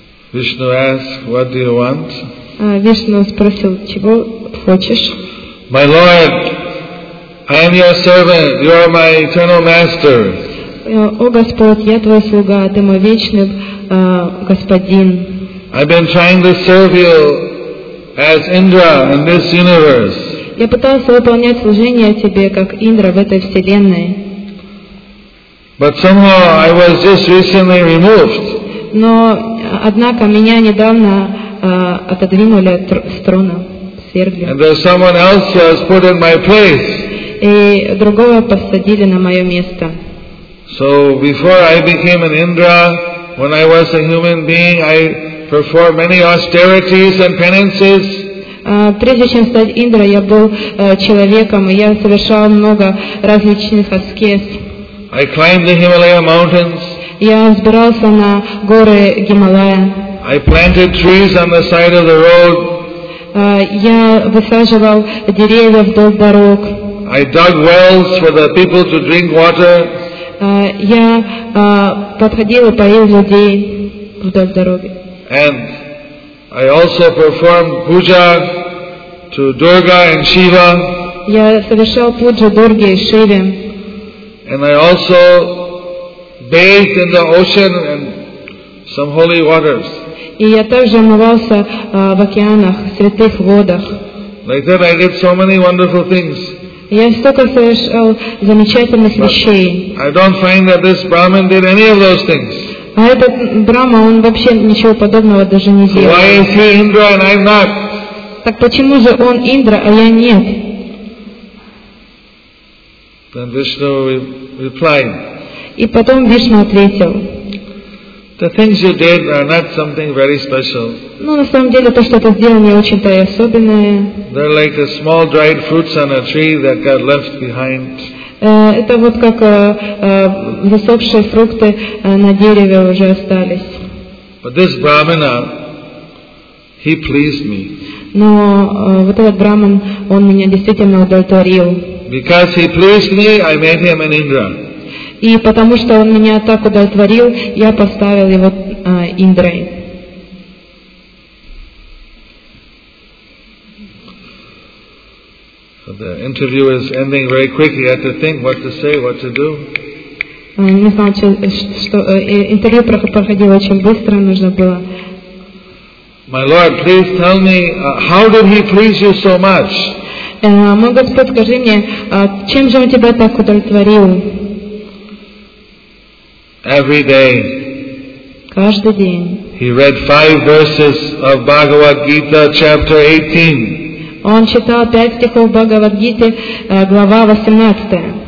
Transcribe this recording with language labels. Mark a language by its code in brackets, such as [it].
[en] Vishnu asked, what do you want? [ru] Vishnu спросил, чего хочешь? [en] My Lord, I am your servant, you are my eternal master. [ru] О Господь, я твой слуга, ты мой вечный господин. [en] I've been trying to serve you as Indra in this universe. [ru] Я пытался выполнять служение тебе как Индра в этой вселенной. [en] But somehow I was just recently removed. [ru] Но однако меня недавно отодвинули с трона. [en] And there's someone else who has put in my place. [ru] И другого посадили на мое место. [en] So before I became an Indra, when I was a human being, I performed many austerities and penances. [ru] Прежде чем стать Индра, я был человеком, и я совершал много различных аскез. [en] I climbed the Himalaya mountains. [ru] Я взбирался на горы Гималая. [en] I planted trees on the side of the road. [ru] Я высаживал деревья вдоль дорог. [en] I dug wells for the people to drink water. [ru] Я подходил и поил людей вдоль дороги. [en] And I also performed puja to Durga and Shiva. [ru] Я совершал пуджу Дурге и Шиве. [en] And I also bathed in the ocean and some holy waters. [ru] И я также омывался в океанах, в святых водах. [en] Like that, I did so many wonderful things. [ru] Я столько совершал замечательных [en] But [ru] вещей. [en] I don't find that this Brahmin did any of those things. [ru] А этот Брама, он вообще ничего подобного даже не делал. [en] Why is he Indra and I'm not? [ru] Так почему же он Индра, а я нет? [en] Then Vishnu replied. [ru] И потом Вишну ответил. [en] The things you did are not something very special. [ru] Ну, на самом деле, то, что ты сделал, не очень-то и особенное. [en] They're like the small dried fruits on a tree that got left behind. [ru] Это вот как засохшие фрукты на дереве уже остались. [en] But this Brahmana, he pleased me. [ru] Но вот этот Брахман, он меня действительно удовлетворил. [en] Because he pleased me, I made him an Indra. [ru] И потому что он меня так удовлетворил, я поставил его Индрой. [en] So the interview is ending very quickly. You have to think what to say, what to do. [ru] Не знал, что интервью проходило очень быстро, нужно было. [en] My Lord, please tell me, how did he please you so much? [ru] Мой Господь, скажи мне, чем же он тебя так удовлетворил? [en] Every day, [ru] каждый день. [en] He read 5 verses of Bhagavad Gita, chapter 18. [ru] Он читал 5 стихов Бхагавад Гиты, глава 18.